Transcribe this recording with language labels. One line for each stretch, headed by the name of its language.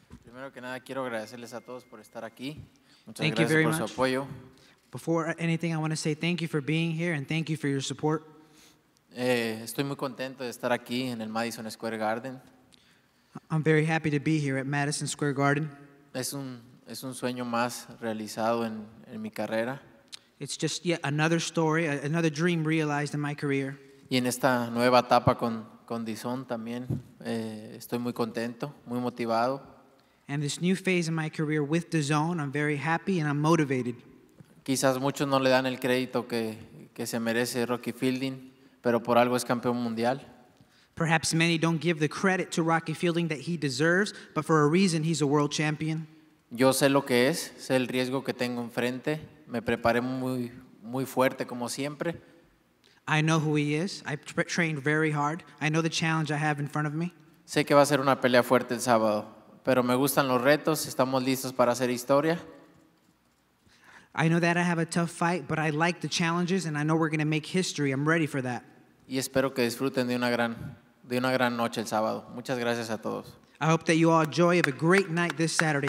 Spanish: Primero que nada, quiero agradecerles a todos por estar aquí.
English: Thank you very much.
Spanish: Muchas gracias por su apoyo.
English: Before anything, I want to say thank you for being here and thank you for your support.
Spanish: Estoy muy contento de estar aquí en el Madison Square Garden.
English: I'm very happy to be here at Madison Square Garden.
Spanish: Es un sueño más realizado en mi carrera.
English: It's just yet another story, another dream realized in my career.
Spanish: Y en esta nueva etapa con Dizon también, estoy muy contento, muy motivado.
English: And this new phase in my career with Dizon, I'm very happy and I'm motivated.
Spanish: Quizás muchos no le dan el crédito que se merece Rocky Fielding, pero por algo es campeón mundial.
English: Perhaps many don't give the credit to Rocky Fielding that he deserves, but for a reason he's a world champion.
Spanish: Yo sé lo que es, sé el riesgo que tengo enfrente, me preparé muy, muy fuerte como siempre.
English: I know who he is. I've trained very hard. I know the challenge I have in front of me.
Spanish: Sé que va a ser una pelea fuerte el sábado, pero me gustan los retos. Estamos listos para hacer historia.
English: I know that I have a tough fight, but I like the challenges, and I know we're going to make history. I'm ready for that.
Spanish: Y espero que disfruten de una gran noche el sábado. Muchas gracias a todos.
English: I hope that you all enjoy a great night this Saturday.